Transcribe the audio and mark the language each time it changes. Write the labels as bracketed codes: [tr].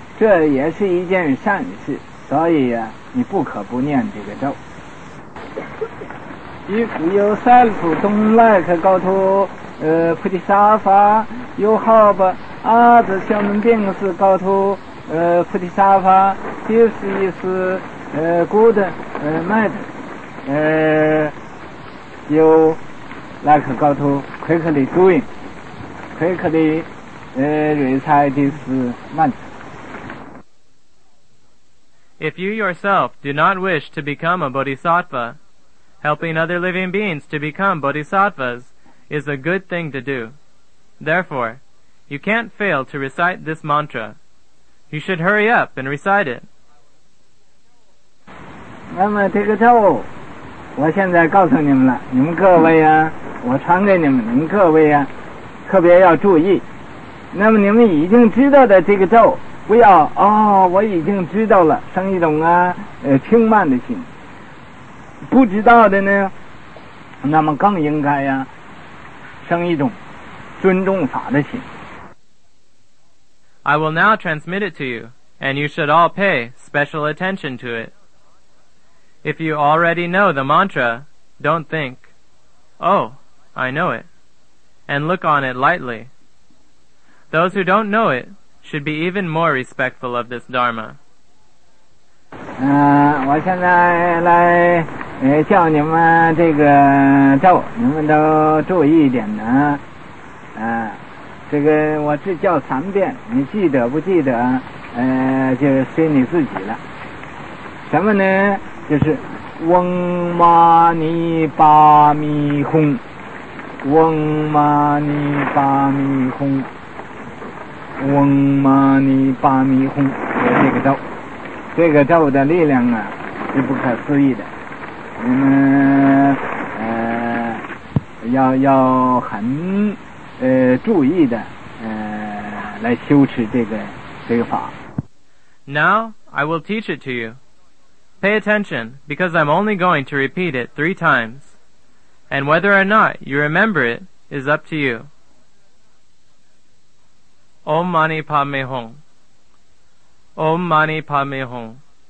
[zh] 假如你自己不愿意做菩萨，那么你帮助其他的众生成菩萨，这也是一件善事。所以你不可不念这个咒。 [en] If yourself don't like go to Bodhisattva, you hope other human beings go to Bodhisattva, this is good method. You like go to quickly doing, quickly recite this mantra. If you yourself do not wish to become a bodhisattva, helping other living beings to become bodhisattvas is a good thing to do. Therefore, you can't fail to recite this mantra. You should hurry up and recite it. [zh] 那么这个咒，我现在告诉你们了，你们各位啊，我传给你们，你们各位啊，特别要注意。那么你们已经知道的这个咒。不要哦，我已经知道了，生一种啊轻慢的心。不知道的呢，那么更应该呀、生一种尊重法的心。 [en] I will now transmit it to you, and you should all pay special attention to it. If you already know the mantra, don't think, oh, I know it, and look on it lightly. Those who don't know it should be even more respectful of this dharma. [zh] 我现在来叫你们这个咒，你们都注意一点呢。这个我只叫三遍，你记得不记得？就随你自己了。什么呢？就是嗡嘛呢叭咪哄，嗡嘛呢叭咪哄，嗡嘛呢叭咪哄。这个咒，这个咒的力量啊，是不可思议的。你们要很注意的来修持这个法。 [en] Now I will teach it to you. Pay attention, because I'm only going to repeat it 3 times, and whether or not you remember it is up to you. Om Mani Padme Hung. Om Mani Padme Hung.